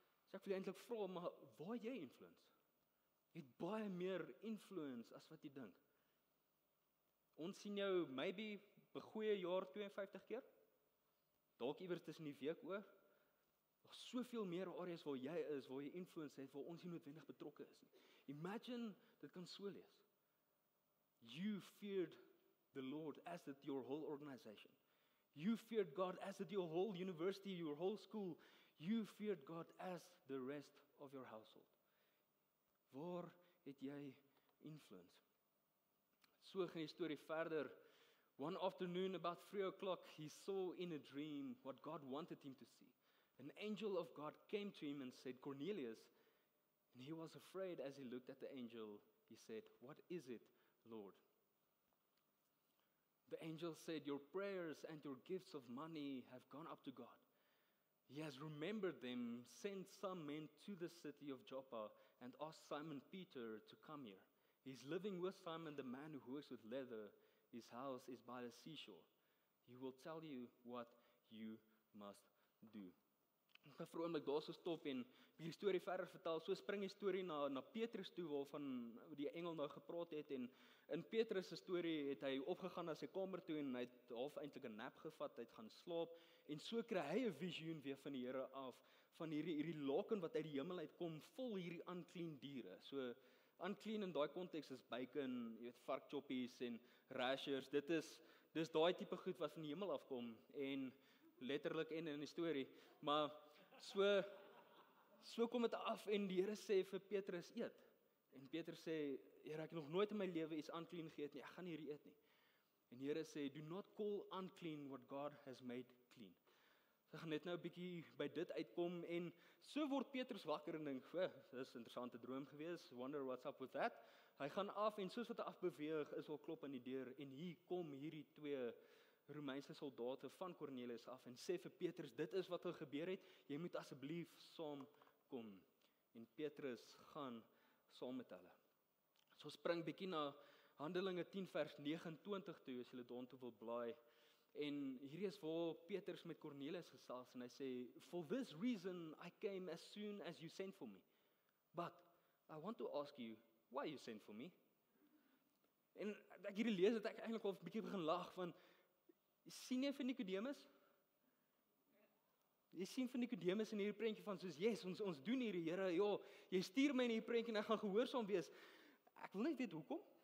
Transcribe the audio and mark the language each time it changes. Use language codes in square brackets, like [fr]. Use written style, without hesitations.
[af] So ek wil eintlik vra, maar waar jy influence? Jy het baie meer influence as wat jy dink. Ons sien jou maybe begoeie jaar 52 keer. Dalk iewers tussen die week oor. Daar is soveel meer areas waar jy is, waar jy influence het, waar ons nie noodwendig betrokke is nie. Imagine, dit kan so lees. [en] You feared the Lord as did your whole organization. You feared God as did your whole university, your whole school. You feared God as the rest of your household. [af] Waar het jy influence? So gaan die story verder. [en] One afternoon, about 3 o'clock, he saw in a dream what God wanted him to see. An angel of God came to him and said, Cornelius, and he was afraid as he looked at the angel. He said, what is it, Lord? The angel said, your prayers and your gifts of money have gone up to God. He has remembered them, sent some men to the city of Joppa and asked Simon Peter to come here. He's living with Simon, the man who works with leather. His house is by the seashore. He will tell you what you must do. [af] Ek gaan vir oomblik daar so stop en die storie verder vertel. So spring die storie na Petrus toe waarvan die engel nou gepraat het en in Petrus se storie het hy opgegaan na sy kamer toe en hy het half eintlik 'n nap gevat, hy het gaan slaap en so kry hy 'n visioen weer van die Here af van hierdie laken wat uit die hemel uitkom vol hierdie unclean diere. So unclean in daai konteks is bacon, jy weet varkchoppies en rashers. Dis daai tipe goed wat van die hemel afkom en letterlik en in die storie, maar so kom dit af en die Here sê vir Petrus eet. En Petrus sê, Here, ek het nog nooit in my lewe iets unclean geëet nie. Ek gaan hier eet nie. En die Here sê, [en] do not call unclean what God has made clean. [af] So gaan net nou 'n bietjie by dit uitkom en so word Petrus wakker en dink, dis 'n interessante droom gewees. [en] Wonder what's up with that. [af] Hy gaan af en soos wat hy afbeweeg, is al klop aan die deur en hier kom hierdie twee Romeinse soldate van Cornelius af en sê vir Petrus, dit is wat al gebeur het, jy moet asseblief saam kom. En Petrus gaan saam met hulle. So spring bietjie na Handelinge 10 vers 29 toe, as julle daartoe wil blaai. En hier is waar Petrus met Cornelius gesels en hy sê, [en] for this reason I came as soon as you sent for me. But I want to ask you why you sent for me. [af] En ek hierdie lees het ek eintlik al bietjie begin lag van sien jy vir Nikodemus? Jy sien vir Nikodemus in hierdie prentjie van soos, yes, ons doen hierdie Here, joh, jy stuur my in hierdie prentjie en ek gaan gehoorsaam wees. Ek wil net weet hoekom.